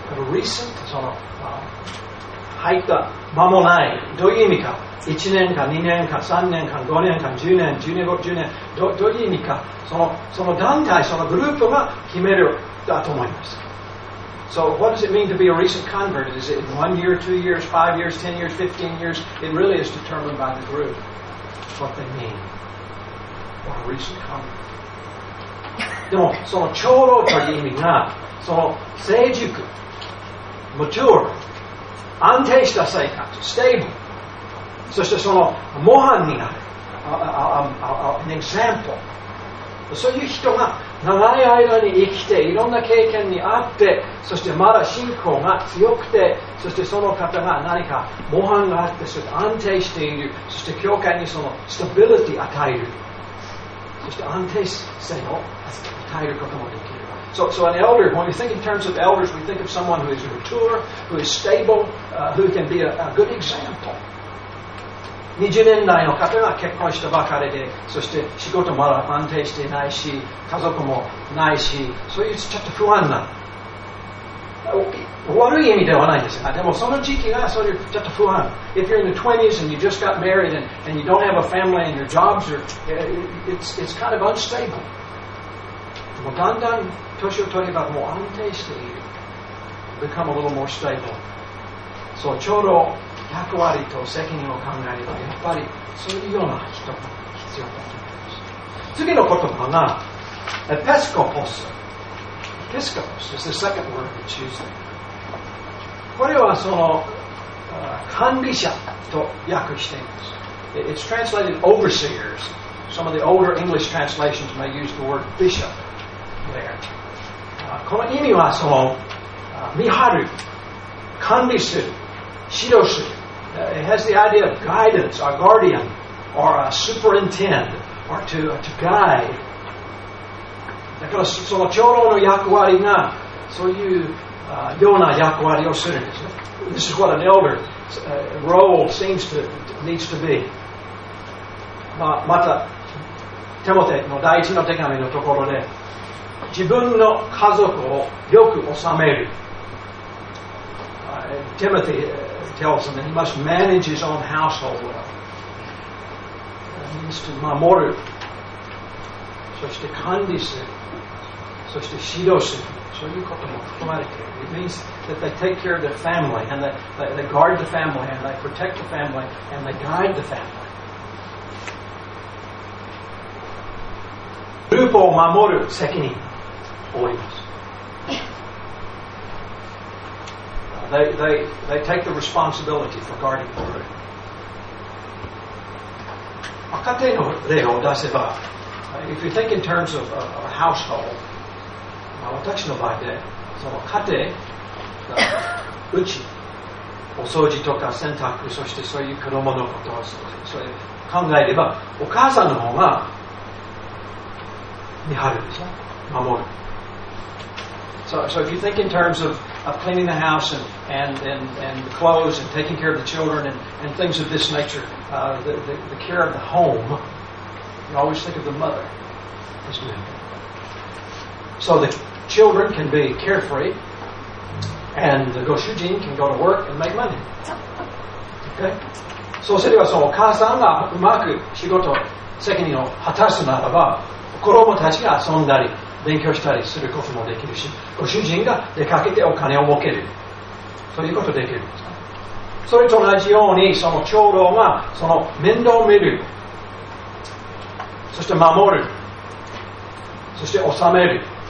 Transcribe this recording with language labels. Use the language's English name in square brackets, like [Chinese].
[Japanese] Recent, その入った間もない、どういう意味か、1年か2年か3年か5年か10年、15年、どういう意味か、その団体、そのグループが決めるだと思います。 [English] So, what does it mean to be a recent convert? Is it 1 year, 2 years, 5 years, 10 years, 15 years? It really is determined by the group what they mean. What a recent convert. [Japanese] でも、その長老という意味が、その成熟。 Mature, 安定した生活、stable、そしてその模範になる、 [English] an example。 [Japanese] そういう人が長い間に生きて、いろんな経験にあって、そしてまだ信仰が強くて、そしてその方が何か模範があって、そして安定している、そして教会にその stability 与える、そして安定性を与えることもできる。 [English] So an elder, when we think in terms of elders, we think of someone who is mature, who is stable, who can be a good example. [Japanese] 20年代の方が結婚したばかりで、そして仕事も安定していないし、家族もないし、そういうちょっと不安な、悪い意味ではないですが、でもその時期がそういうちょっと不安。 [English] If you're in the 20s and you just got married and you don't have a family and your jobs are, it's kind of unstable. [Japanese] でもだんだん年を取ればもう安定している。 [English] Become a little more stable. [Japanese] So ちょうど役割と責任を考えれば、やっぱりそういうような人が必要だと思います。次の言葉が、エピスコポス。 [English] エピスコポス is the second word we choose. [Japanese] これはその、管理者と訳しています。 [English] It's translated overseers. Some of the older English translations may use the word bishop there. [Japanese] この意味はその、見張る、管理する、指導する。 [English] It has the idea of guidance, a guardian, or a superintend, or to guide. [Japanese] だからその長老の役割がそういうような役割をするんですね。 [English] This is what an elder role seems to needs to be. [Japanese] またテモテの第一の手紙のところで、自分の家族をよく治める。 [English] Timothy tells him that he must manage his own household well. He needs to [Japanese] 守る、そして管理する、そして指導する、そういうことも含まれている。 [English] It means that they take care of their family, and they guard the family, and they protect the family, and they guide the family. [Japanese] グループを守る責任を負います。 [English] They take the responsibility for guarding the group. [Japanese] 若手の例を出せば、 [English] if you think in terms of a household, [Japanese] 私の場合で、その家庭が、うち、お掃除とか洗濯、そしてそういう子供のことを、それ考えれば、お母さんの方が見張るでしょ、守る。 [English] So if you think in terms of cleaning the house and the clothes and taking care of the children and things of this nature, the care of the home, you always think of the mother as a member. So the children can be carefree and the goshujin can go to work and make money. Okay? [Japanese] そうすればそのお母さんがうまく仕事を責任を果たすならば、子供たちが遊んだり勉強したりすることもできるし、ご主人が出かけてお金を儲ける、そういうことができるんですか。それと同じようにその長老がその面倒を見る、そして守る、そして治める。